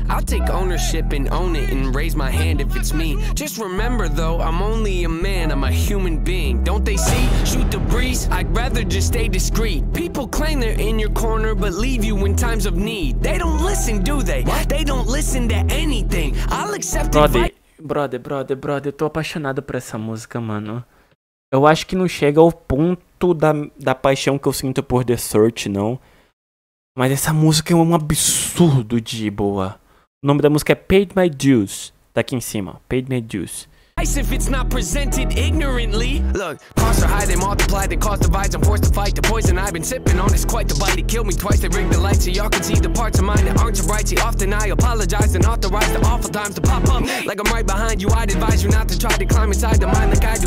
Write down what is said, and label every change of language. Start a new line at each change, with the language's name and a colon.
English: I'll take ownership and own it and raise my hand if it's me. Just remember though, I'm only a man, I'm a human being. Don't they see? Shoot the breeze, I'd rather just stay discreet. People claim they're in your corner, but leave you in times of need. They don't listen, do they? What? They don't listen to anything. I'll accept brother, brother, brother, brother,
Portuguese: eu tô apaixonado por essa música, mano. Eu acho que não chega ao ponto da paixão que eu sinto por The Search, não. Mas essa música é um absurdo de boa. O nome da música é Paid My Dues. Tá aqui em cima, Paid My Dues.
English: If it's not presented ignorantly, look, costs are high, they multiply, they cause divides. I'm forced to fight the poison I've been sipping on. It's quite the bite. It killed me twice. They rigged the lights so y'all can see the parts of mine that aren't your rights. See, often I apologize and authorize the awful times to pop up. Like I'm right behind you, I'd advise you not to try to climb inside the mind like I do.